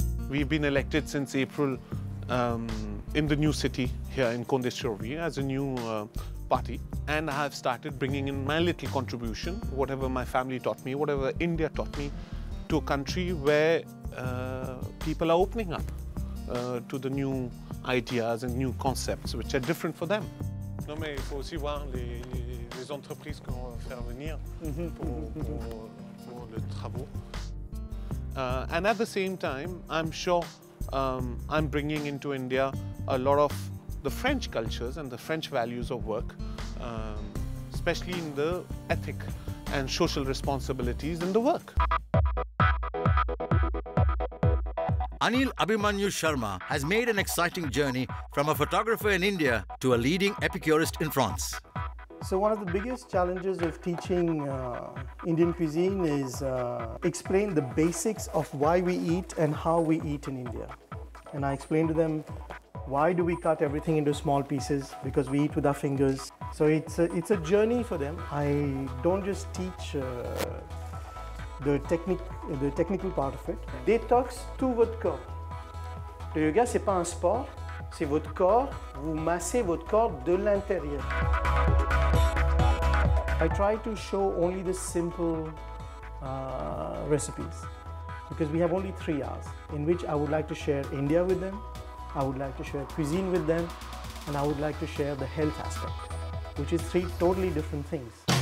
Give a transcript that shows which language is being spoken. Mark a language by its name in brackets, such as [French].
[English] We've been elected since April in the new city here in Condé-sur-Vie as a new party, and I have started bringing in my little contribution, whatever my family taught me, whatever India taught me, to a country where people are opening up to the new ideas and new concepts which are different for them. [French] Non mais il faut aussi voir les entreprises qu'on va faire venir pour le travaux. [English] And at the same time, I'm sure I'm bringing into India a lot of the French cultures and the French values of work, especially in the ethic and social responsibilities in the work. Anil Abhimanyu Sharma has made an exciting journey from a photographer in India to a leading epicurist in France. So one of the biggest challenges of teaching Indian cuisine is explain the basics of why we eat and how we eat in India. And I explain to them, why do we cut everything into small pieces? Because we eat with our fingers. So it's a journey for them. I don't just teach the technical part of it. [French] Détox tout votre corps. Le yoga, c'est pas un sport, c'est votre corps. Vous massez votre corps de l'intérieur. [English] I try to show only the simple recipes, because we have only 3 hours in which I would like to share India with them, I would like to share cuisine with them, and I would like to share the health aspect, which is 3 totally different things.